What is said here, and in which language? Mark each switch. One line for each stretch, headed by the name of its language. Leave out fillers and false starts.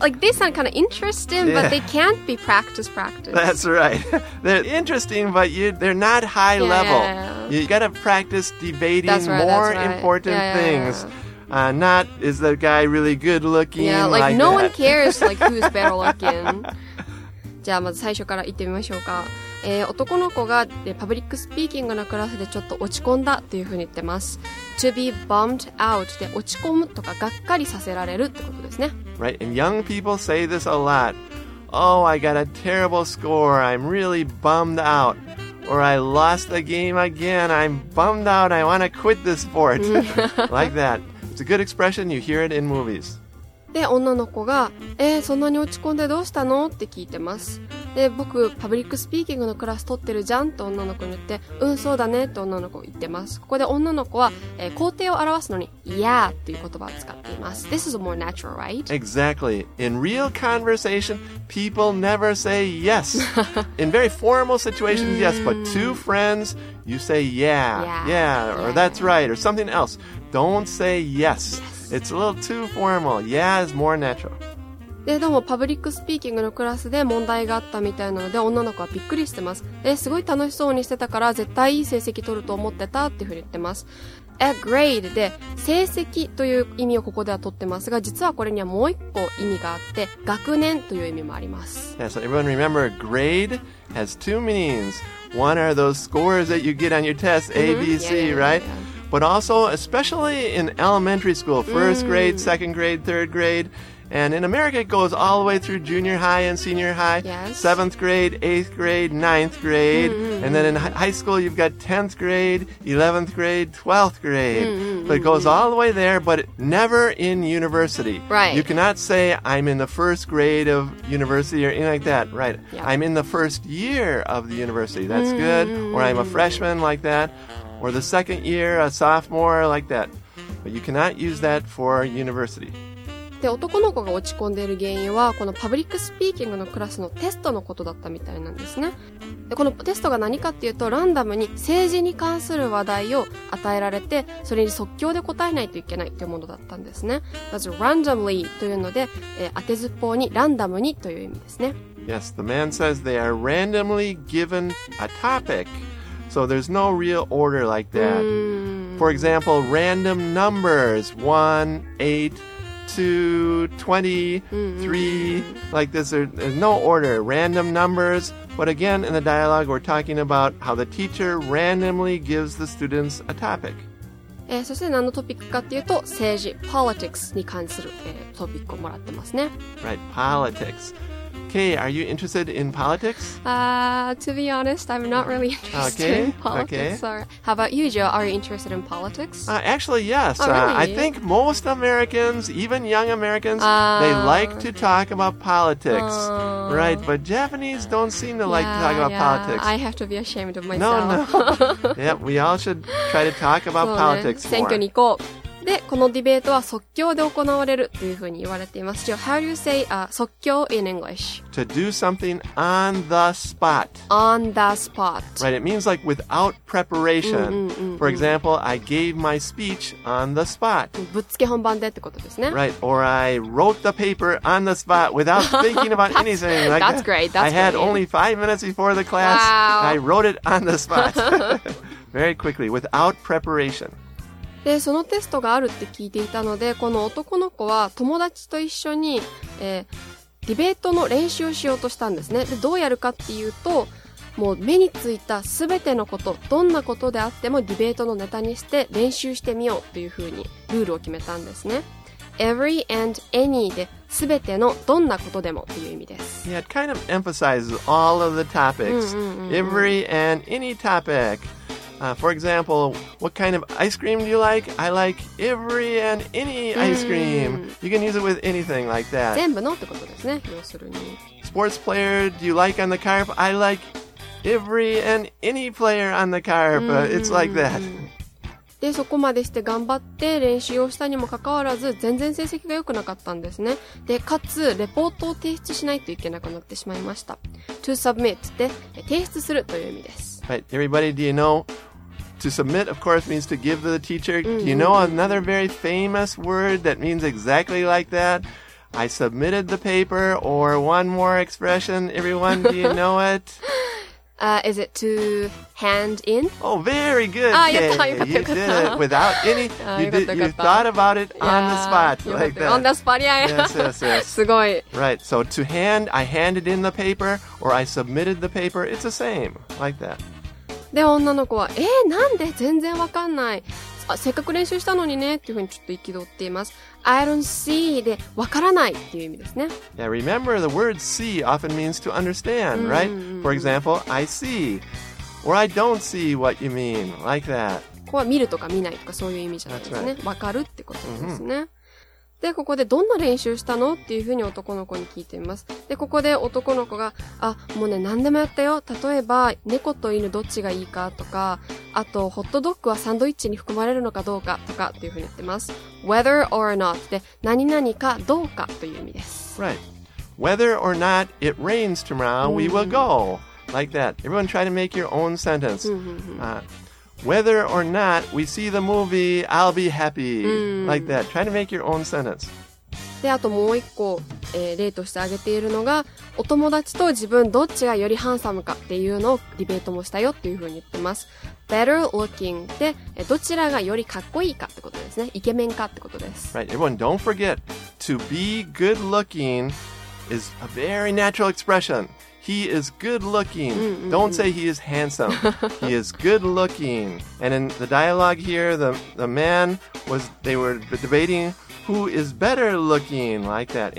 English: Like, they sound kind of interesting, but they can't be practice. That's right. They're interesting, but they're not high level. You got to practice debating more important things. Not, is the guy really good looking? One cares, who's better looking.
Japanese: じゃあ、まず最初から言ってみましょうか。男の子が、パブリックスピーキングのクラスでちょっと落ち込んだというふうに言ってます。
English: To be bummed out
Japanese: で落ち込むとかがっかりさせられるってことですね。
English: Right, and young people say this a lot. Oh, I got a terrible score. I'm really bummed out. Or I lost the game again. I'm bummed out. I want to quit this sport. Like that. It's a good expression. You hear it in movies.
Japanese: で女の子が、そんなに落ち込んでどうしたのって聞いてます。で僕パブリックスピーキングのクラス取ってるじゃんと女の子に言って、うんそうだねと女の子言ってます。ここで女の子は、肯定を表すのに yeah っていう言葉を使っています。
English: This is more natural, right? Exactly. In real conversation, people never say yes. In very formal situations, yes, but two friends, you say yeah, or that's right, or something else. Don't say yes. It's a little too formal. Yeah, it's more natural.
Japanese: で、でもパブリックスピーキングのクラスで問題があったみたいなので、女の子はびっくりしてます。すごい楽しそうにしてたから、絶対いい成績取ると思ってたっていうふうに言ってます。
English: A grade
Japanese: で、成績という意味をここでは取ってますが、実はこれにはもう一個意味があって、学年という意味もあります。
English: Yeah, so everyone remember, grade has two meanings. One are those scores that you get on your test, A, B, C, right? But also, especially in elementary school, first grade, second grade, third grade, And in America, it goes all the way through junior high and senior high, yes. seventh grade, eighth grade, ninth grade. Mm-hmm. And then in high school, you've got 10th grade, 11th grade, 12th grade. Mm-hmm. So it goes all the way there, but never in university. Right. You cannot say, I'm in the first grade of university or anything like that. Right. Yep. I'm in the first year of the university. That's mm-hmm. good. Or I'm a freshman like that. Or the second year, a sophomore like that. But you cannot use that for university.
Japanese: で男の子が落ち込んでいる原因はこのパブリックスピーキングのクラスのテストのことだったみたいなんですね。でこのテストが何かっていうとランダムに政治に関する話題を与えられてそれに即興で答えないといけないというものだったんですね。まず randomly というので、当てずっぽうにランダムにという意味ですね。
English: Yes, the man says they are randomly given a topic. So there's no real order like that. For example, random numbers 1, 8, 2, 20, 3, like this, there's no order, random numbers. But again, in the dialogue, we're talking about how the teacher randomly gives the students a topic.
Japanese: そして何のトピックかっていうと、政治、politics に関する、トピックをもらってますね。
English: Right, politics. Kay, are you interested in politics? To be honest, I'm not really interested okay, in politics. Okay. Sorry. How about you, Joe? Are you interested in politics? Actually, yes. Oh, really? I think most Americans, even young Americans, they like to talk about politics. Right, but Japanese don't seem to like to talk about politics. I have to be ashamed of myself. No, no. Yep, we all should try to talk about politics
Japanese: more. 選挙に行こう。で、このディベートは即興で行われるというふうに言われています。
English: So, how do you say, 即興 in English? To do something on the spot. On the spot. Right, it means like without preparation. For example, I gave my speech on the spot.
Japanese: ぶっつけ本番でってことですね。
English: Right, or I wrote the paper on the spot without thinking about anything. That's, that's great, that's great. I had only 5 minutes before the class. Wow. I wrote it on the spot. Very quickly, without preparation.
Japanese: でそのテストがあるって聞いていたのでこの男の子は友達と一緒に、ディベートの練習をしようとしたんですね。でどうやるかっていうともう目についた全てのことどんなことであってもディベートのネタにして練習してみようというふうにルールを決めたんですね。
English: Every and any
Japanese: で全てのどんなことでもという意味です。
English: Yeah, it kind of emphasizes all of the topics. Every and any topicfor example, what kind of ice cream do you like? I like every and any ice cream. You can use it with anything like that.
Japanese: 全部のってことですね、要するに。
English: Sports player, do you like on the carp? I like every and any player on the carp. It's like that.
Japanese: で、そこまでして頑張って練習をしたにもかかわらず、全然成績が良くなかったんですね。で、かつ、レポートを提出しないといけなくなってしまいました。
English: To submit
Japanese: で、提出するという意味です。
English: Right, everybody, do you know? To submit, of course, means to give to the teacher. Do you know another very famous word that means exactly like that? I submitted the paper, or one more expression, everyone, do you know it? Is it to hand in? Oh, very good. Ah, yeah, you did it without any, you thought about it on the spot, like that. On the spot, Yes, yes, yes. Right, so to hand, I handed in the paper, or I submitted the paper, it's the same, like that.
Japanese: で、女の子は、なんで全然わかんない。せっかく練習したのにね、っていうふうにちょっと憤っています。
English: I don't see
Japanese: で、わからないっていう意味ですね。
English: Yeah, remember, the word see often means to understand, right? For example, I see. Or I don't see what you mean, like that.
Japanese: ここは見るとか見ないとかそういう意味じゃないですね。わかるってことですね。で、ここでどんな練習したのっていうふうに男の子に聞いてみます。で、ここで男の子が、あ、もうね、何でもやったよ。例えば、猫と犬どっちがいいかとか、あと、ホットドッグはサンドイッチに含まれるのかどうかとかっていうふうに言ってます。
English: whether or not
Japanese: で、何々かどうかという意味です。
English: Right. Whether or not it rains tomorrow, we will go. Like that. Everyone try to make your own sentence. Whether or not we see the movie, I'll be happy. Like that. Try to make your own sentence.
Japanese: で、あともう一個、例として挙げているのが、お友達と自分どっちがよりハンサムかっていうのをディベートもしたよっていうふうに言ってます。
English: Better looking
Japanese: で、どちらがよりかっこいいかってことですね。イケメンかってことです。
English: Right. Everyone, don't forget. To be good looking is a very natural expression. He is good looking. Don't say he is handsome. He is good looking. And in the dialogue here, the man was, they were debating who is better looking like that.